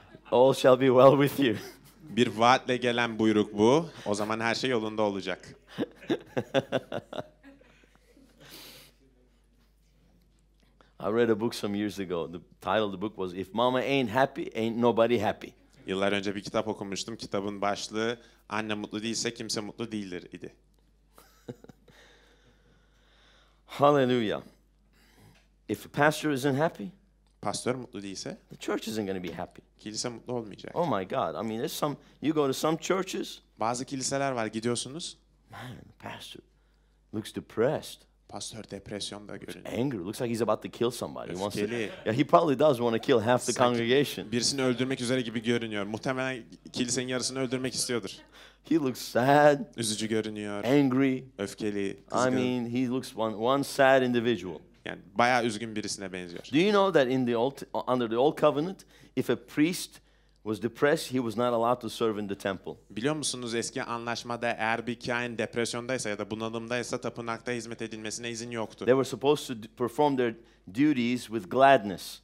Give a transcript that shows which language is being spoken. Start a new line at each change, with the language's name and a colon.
English: All shall be well with you.
Turkish: Bir vaatle gelen buyruk bu. O zaman her şey yolunda olacak.
English: I read a book some years ago. The title of the book was "If Mama Ain't Happy, Ain't Nobody Happy."
Turkish: Yıllar önce bir kitap okumuştum. Kitabın başlığı "Anne mutlu değilse kimse mutlu değildir" idi.
English: Hallelujah. If a pastor isn't happy,
Turkish: pastör mutlu değilse,
English: the church isn't going to be happy.
Turkish: Kilise mutlu olmayacak.
English: Oh my God. I mean, there's some, you go to some churches.
Turkish: Bazı kiliseler var, gidiyorsunuz.
English: Man, the pastor looks depressed.
Turkish: Pastör depresyonda görünüyor.
English: Angry. Looks like he's about to kill somebody. He wants to, yeah, he probably does want to kill half the congregation.
Turkish: Birisini öldürmek üzere gibi görünüyor. Muhtemelen kilisenin yarısını öldürmek istiyordur.
English: He looks sad.
Turkish: Üzücü görünüyor.
English: Angry.
Turkish: Öfkeli. Kızgın.
English: I mean, he looks one sad individual.
Turkish: Yani bayağı üzgün birisine benziyor.
English: Do you know that in the old, under the old covenant, if a priest was depressed, he was not allowed to serve in the temple.
Turkish: Biliyor musunuz, eski anlaşmada eğer bir kâhin depresyondaysa ya da bunalımdaysa tapınakta hizmet edilmesine izin yoktu.
English: They were supposed to perform their duties with gladness.